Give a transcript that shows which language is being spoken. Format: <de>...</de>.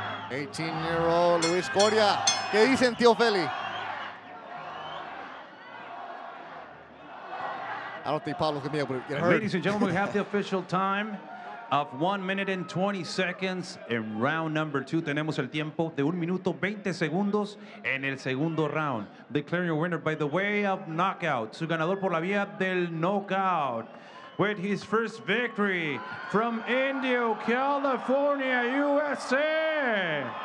<en>18-year-old</en> <es>Luis Coria. ¿Qué dicen, tío Feli?</es> <en>I don't think Pablo's gonna be able to get hurt. Ladies and gentlemen, we have the official time of 1 minute and 20 seconds in round number two.</en> <es>Tenemos el tiempo de 1 minuto 20 segundos en el segundo round.</es> <en>Declaring your winner by the way of knockout.</en> <es>Su ganador por la vía del knockout.</es> <en>With his first victory from Indio, California, USA.</en>